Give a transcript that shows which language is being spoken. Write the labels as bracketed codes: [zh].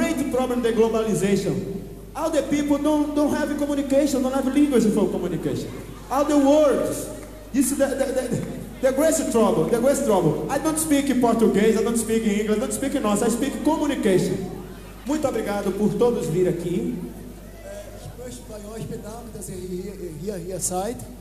[en] problem the globalization. All the people don't have communication, don't have language for communication. All the words. This is the greatest trouble, the greatest trouble. I don't speak Portuguese, I don't speak English, I don't speak nonsense, I speak communication. [pt] Muito obrigado por todos vir aqui. [de] Ich möchte bei euch bedanken, dass ihr hier seid.